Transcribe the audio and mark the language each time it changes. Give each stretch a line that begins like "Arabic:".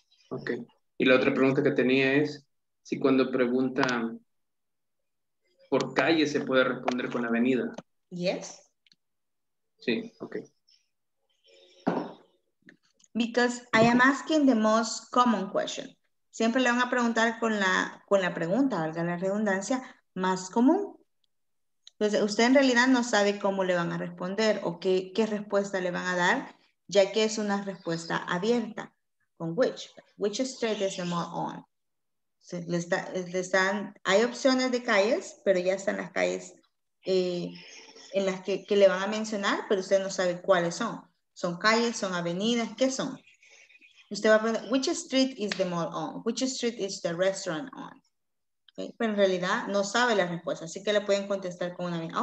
Spanish: Okay. Y la otra pregunta que tenía es si cuando preguntan por calle se puede responder con avenida.
English: Yes.
Spanish: Sí, okay.
English: Because I am asking the most common question.
Spanish: Siempre le van a preguntar con la pregunta, valga la redundancia, más común. Entonces, usted en realidad no sabe cómo le van a responder o qué respuesta le van a dar, ya que es una respuesta abierta. Con
English: which street is the mall on?
Spanish: Sí, hay opciones de calles, pero ya están las calles en las que le van a mencionar, pero usted no sabe cuáles son. ¿Son calles, son avenidas, qué son? Usted va a preguntar,
English: which street is the mall on? Which street is the restaurant on? Okay.
Spanish: Pero en realidad no sabe la respuesta, así que le pueden contestar con una amiga.